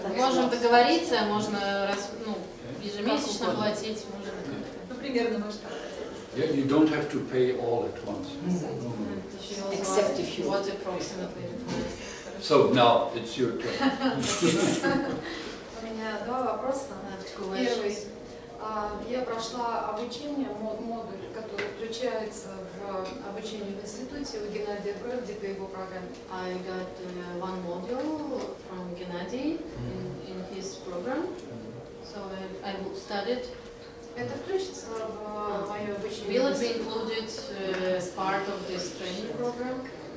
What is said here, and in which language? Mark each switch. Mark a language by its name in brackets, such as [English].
[Russian] Мы можем договориться, можно ежемесячно платить, можно. Ну примерно можно. [English] Yeah, you don't have to pay all at once. Except if you want approximately. So now it's your turn. [Russian] У меня два вопроса. Первый. Я прошла обучение модуль, который включается. Обучение в институте у Геннадия Бродика его программа. [English] I got one module from Геннадий in his program, so I studied. [Russian] Это включится в мое обучение. [English] Will it be included as part of this training program?